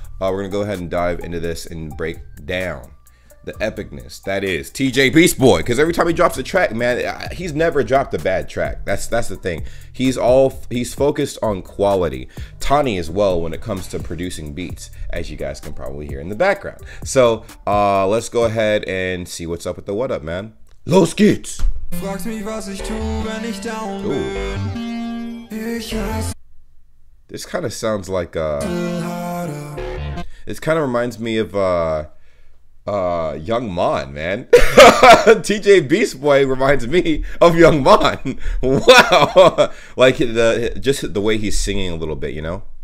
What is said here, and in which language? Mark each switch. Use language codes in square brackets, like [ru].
[en] We're gonna go ahead and dive into this and break down the epicness that is TJ Beast Boy, because every time he drops a track, man, he's never dropped a bad track. That's the thing. He's focused on quality. Thani as well when it comes to producing beats, as you guys can probably hear in the background. So let's go ahead and see what's up with the what up, man. [de] Los geht's. Fragst mich, was ich tu, wenn ich down bin. Ich has- [en] this kind of sounds like this kind of reminds me of Young Mon, man. TJ Beast Boy reminds me of Young Mon. Wow. Like just the way he's singing a little bit, you know?